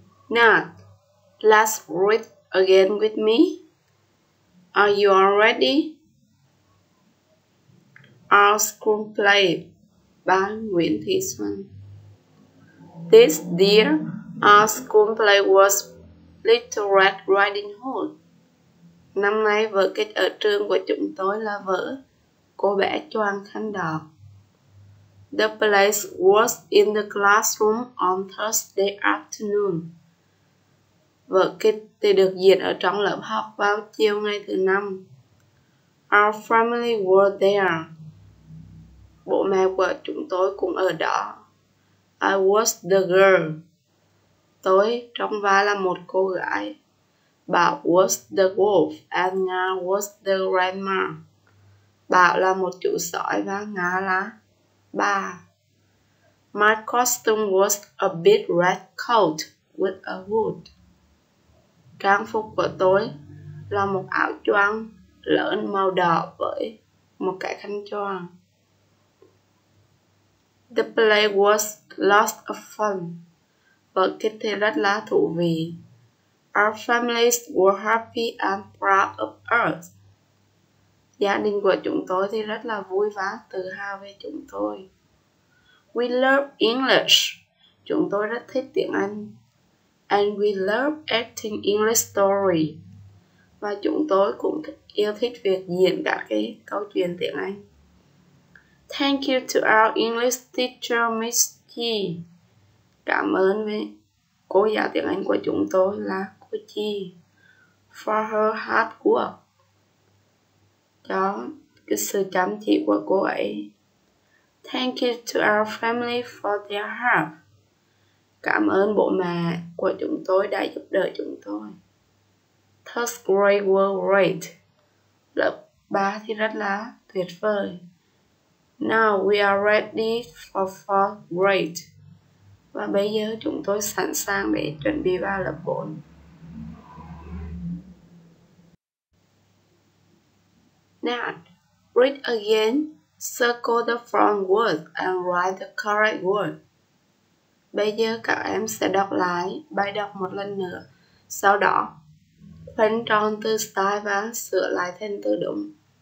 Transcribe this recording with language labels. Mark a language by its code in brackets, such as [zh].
[en] Now, let's read again with me. Are you all ready? Our school play by Nguyễn Thị Xuân. This year, our school play was Little Red Riding Hood. [vi] Năm nay, vở kịch ở trường của chúng tôi là vở Cô bé choàng khăn đỏ. [en] The play was in the classroom on Thursday afternoon. [vi] Vở kịch thì được diễn ở trong lớp học vào chiều ngày thứ năm. [en] Our family were there. [vi] Bố mẹ của chúng tôi cũng ở đó. [en] I was the girl. [vi] Tôi trong vai là một cô gái. [en] Bảo was the wolf and Nga was the grandma. [vi] Bảo là một chú sói và Nga là bà. [en] My costume was a big red coat with a hood. [vi] Trang phục của tôi là một áo choàng lớn màu đỏ với một cái khăn choàng. [en] The play was lots of fun. [vi] Vở kịch thì rất là thú vị. [en] Our families were happy and proud of us. [vi] Gia đình của chúng tôi thì rất là vui và tự hào về chúng tôi. [en] We love English. [vi] Chúng tôi rất thích tiếng Anh. [en] And we love acting English story. [vi] Và chúng tôi cũng yêu thích việc diễn các cái câu chuyện tiếng Anh. [en] Thank you to our English teacher, Miss G. [vi] Cảm ơn với cô giáo tiếng Anh của chúng tôi là cô G. [en] For her hard work. [vi] Cho cái sự chăm chỉ của cô ấy. [en] Thank you to our family for their help. [vi] Cảm ơn bố mẹ của chúng tôi đã giúp đỡ chúng tôi. [en] Third grade was great. [vi] Lớp 3 thì rất là tuyệt vời. [en] Now we are ready for fourth grade. [vi] Và bây giờ chúng tôi sẵn sàng để chuẩn bị vào lớp 4. [en] Now, read again, circle the wrong word and write the correct word. [vi] Bây giờ các em sẽ đọc lại bài đọc một lần nữa. Sau đó, phấn tròn từ style và sửa lại thành từ đúng.